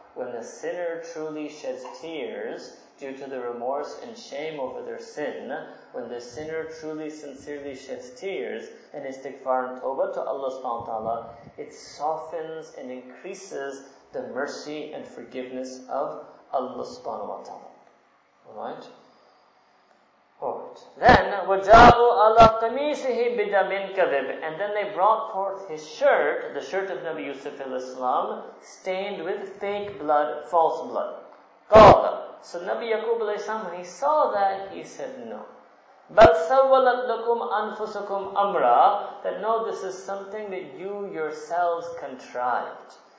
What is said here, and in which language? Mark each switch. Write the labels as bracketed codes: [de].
[en] When the sinner truly sheds tears due to the remorse and shame over their sin, when the sinner truly sincerely sheds tears and istighfar and tawbah to Allah subhanahu wa ta'ala, it softens and increases the mercy and forgiveness of Allah subhanahu wa ta'ala. Alright? Then, [ar] وَجَاءُوا عَلَىٰ قَمِيسِهِ بِدَمٍ كَذِبٍ. [en] And then they brought forth his shirt, the shirt of Nabi Yusuf al-Islam, stained with fake blood, false blood. [ar] قَالَ. [en] So Nabi Yaqub al-Islam, when he saw that, he said no. [ar] بَلْ سَوَّلَتْ لَكُمْ أَنفُسَكُمْ أَمْرًا. [en] That no, this is something that you yourselves contrived.